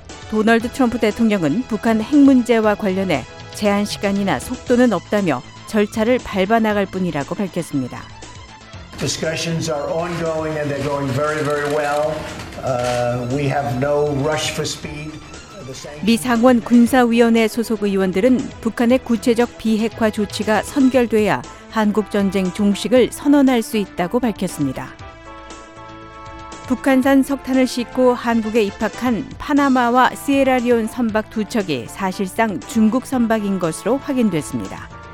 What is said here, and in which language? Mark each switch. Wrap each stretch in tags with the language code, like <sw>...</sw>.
<ko>도널드 트럼프 대통령은 북한 핵 문제와 관련해 제한 시간이나 속도는 없다며 절차를 밟아 나갈 뿐이라고 밝혔습니다.</ko> <en>Discussions are ongoing and they're going very, very well. We have no rush for speed.</en> <ko>미 상원 군사위원회 소속 의원들은 북한의 구체적 비핵화 조치가 선결돼야 한국전쟁 종식을 선언할 수 있다고 밝혔습니다. 북한산 석탄을 싣고 한국에 입학한 파나마와 시에라리온 선박 두 척이 사실상 중국 선박인 것으로 확인됐습니다.</ko>